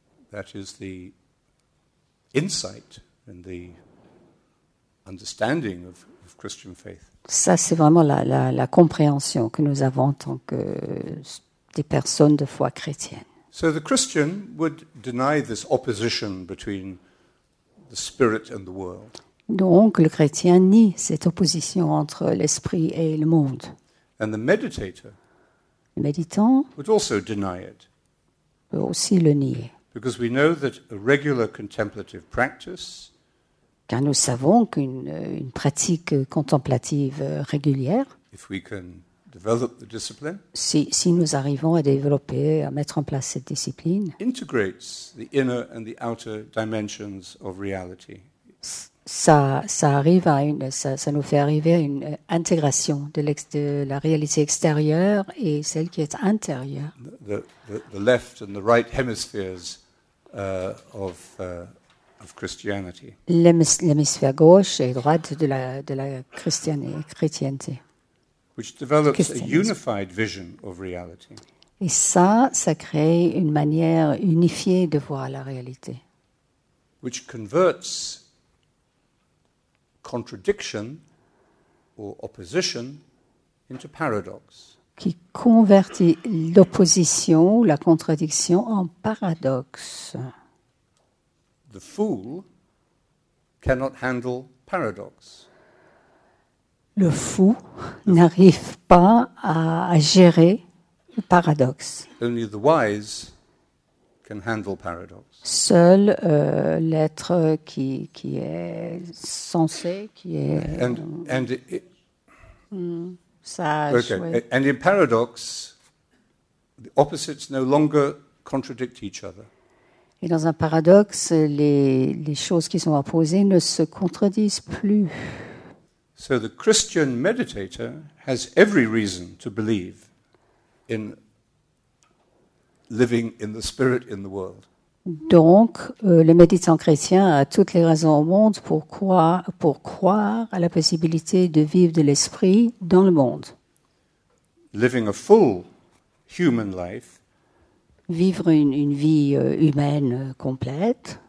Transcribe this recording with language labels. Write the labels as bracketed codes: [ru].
[en] That is the insight and the understanding of Christian faith. [fr] Ça, c'est vraiment la compréhension que nous avons en tant que des personnes de foi chrétienne. [en] So the Christian would deny this opposition between the spirit and the world. [fr] Donc, le chrétien nie cette opposition entre l'esprit et le monde. [en] And the meditator, [fr] le méditant, [en] would also deny it. [fr] Peut aussi le nier. [en] Because we know that a regular contemplative practice, [fr] car nous savons qu'une pratique contemplative régulière, [en] if we can develop the discipline, [fr] si nous arrivons à développer, à mettre en place cette discipline, [en] integrates the inner and the outer dimensions of reality. [fr] Ça nous fait arriver à une intégration de la réalité extérieure et celle qui est intérieure. [en] The left and the right hemispheres of Christianity. [fr] L'hémisphère gauche et droite de la chrétienté. [en] Which develops a unified vision of reality. [fr] Et ça crée une manière unifiée de voir la réalité. [en] Which converts contradiction or opposition into paradox. [fr] Qui convertit l'opposition ou la contradiction en paradoxe. [en] The fool cannot handle paradox. [fr] Le fou n'arrive pas à gérer le paradoxe. [en] Only the wise can handle paradox. [fr] Seul l'être qui est sensé, qui est sage. [en] Okay. And in paradox, the opposites no longer contradict each other. [fr] Et dans un paradoxe, les choses qui sont opposées ne se contredisent plus. [en] So the Christian meditator has every reason to believe in living in the spirit in the world. [fr] Donc, le méditant chrétien a toutes les raisons au monde pour croire à la possibilité de vivre de l'esprit dans le monde. [en] Living a full human life. [fr] Vivre une vie humaine complète.